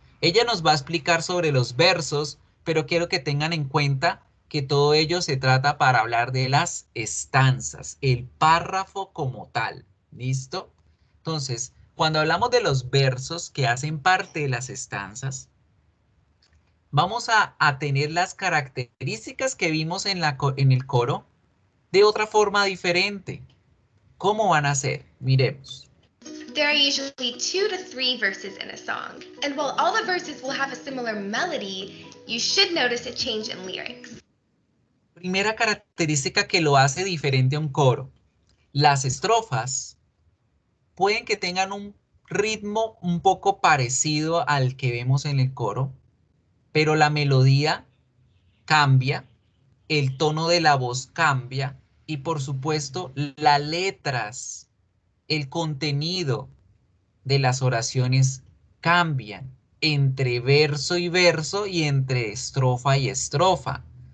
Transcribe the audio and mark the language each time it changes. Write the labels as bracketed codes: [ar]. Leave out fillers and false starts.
[es] Ella nos va a explicar sobre los versos, pero quiero que tengan en cuenta que todo ello se trata para hablar de las estanzas, el párrafo como tal. ¿Listo? Entonces, cuando hablamos de los versos que hacen parte de las estanzas, vamos a tener las características que vimos en el coro de otra forma diferente. ¿Cómo van a ser? Miremos. [en] There are usually 2 to 3 verses in a song. And while all the verses will have a similar melody, you should notice a change in lyrics. [es] Primera característica que lo hace diferente a un coro. Las estrofas pueden que tengan un ritmo un poco parecido al que vemos en el coro, pero la melodía cambia, el tono de la voz cambia y, por supuesto, las letras, el contenido de las oraciones cambian entre verso y verso y entre estrofa y estrofa.